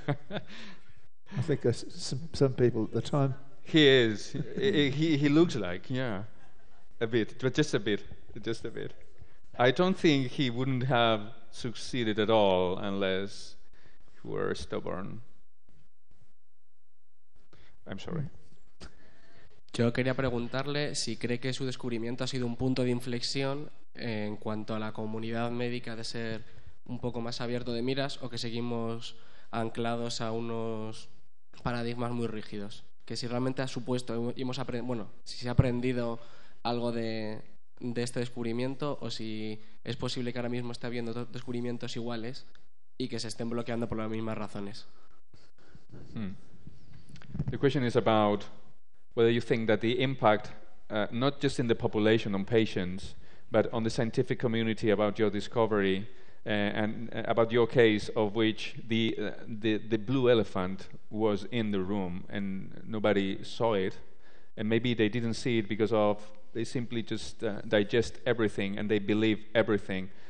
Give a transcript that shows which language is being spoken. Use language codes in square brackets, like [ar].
[en] I think some people at the time... He is. he looks like, yeah. A bit. But just a bit. Just a bit. I don't think he wouldn't have succeeded at all unless he were stubborn. I'm sorry. [es] Yo quería preguntarle si cree que su descubrimiento ha sido un punto de inflexión en cuanto a la comunidad médica de ser un poco más abierto de miras o que seguimos anclados a unos paradigmas muy rígidos. Que si realmente ha supuesto, si se ha aprendido algo de este descubrimiento o si es posible que ahora mismo esté habiendo dos descubrimientos iguales y que se estén bloqueando por las mismas razones. [en] The question is about whether you think that the impact, not just in the population on patients, but on the scientific community about your discovery and about your case of which the blue elephant was in the room and nobody saw it, and maybe they didn't see it because of they simply just digest everything and they believe everything.